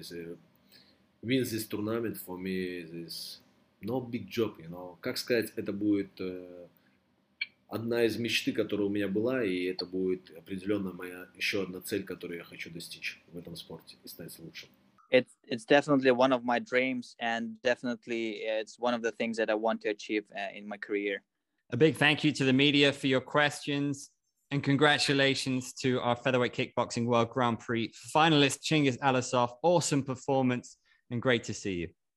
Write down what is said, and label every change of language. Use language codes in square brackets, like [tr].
[en] Is win this tournament for me is no big job, you know. [ru] Как сказать, это будет одна из мечты, которая у меня была, и это будет определенно моя еще одна цель, которую я хочу достичь в этом спорте и стать лучшим. [en] It's definitely one of my dreams, and definitely it's one of the things that I want to achieve in my career. A big thank you to the media for your questions, and congratulations to our Featherweight Kickboxing World Grand Prix finalist Chingiz Alisov. Awesome performance, and great to see you.